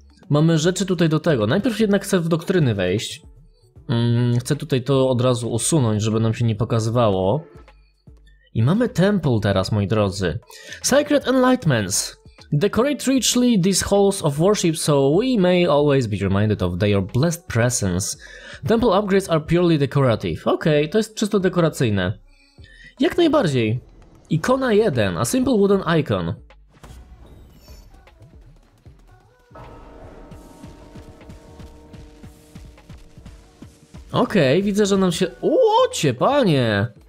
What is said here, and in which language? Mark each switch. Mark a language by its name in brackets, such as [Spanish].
[Polish] Mamy rzeczy tutaj do tego. Najpierw jednak chcę w doktryny wejść. Chcę tutaj to od razu usunąć, żeby nam się nie pokazywało. I mamy temple teraz, moi drodzy. [English] Sacred Enlightenments. Decorate richly these halls of worship so we may always be reminded of their blessed presence. Temple upgrades are purely decorative. [Polish] Okej, to jest czysto dekoracyjne. Jak najbardziej. Ikona 1, [English] a simple wooden icon. [Polish] Okej, widzę, że nam się... Łocie, panie!